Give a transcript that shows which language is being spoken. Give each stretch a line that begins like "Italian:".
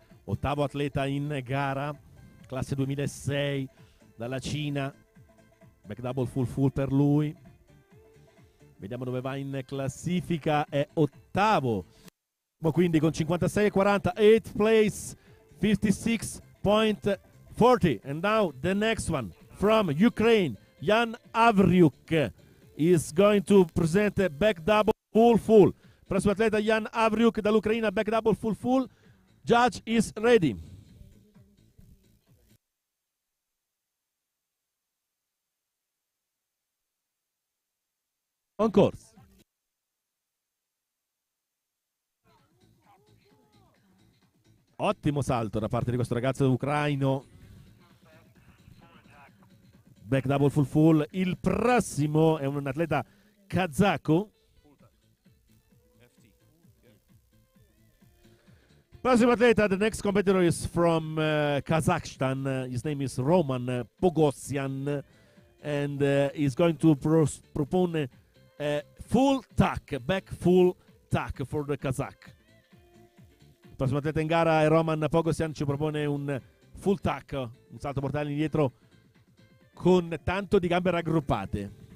Italian: Ottavo atleta in gara, classe 2006, dalla Cina, back double full full per lui. Vediamo dove va in classifica, è ottavo, quindi con 56.40,
English: 8th place, 56.40. And now the next one from Ukraine, Yan Avryuk is going to present a back double full full.
Italian: Prossimo atleta Yan Avryuk dall'Ucraina, back double full full.
English: Judge is ready. On course.
Italian: Ottimo salto da parte di questo ragazzo ucraino. Back double full full. Il prossimo è un atleta kazako. Prossimo atleta,
English: the next competitor is from Kazakhstan. His name is Roman Pogosyan and he's going to propone a full tuck, back full tuck for the Kazakh.
Italian: Prossimo atleta in gara è Roman Pogosyan, ci propone un full tuck, un salto mortale indietro con tanto di gambe raggruppate.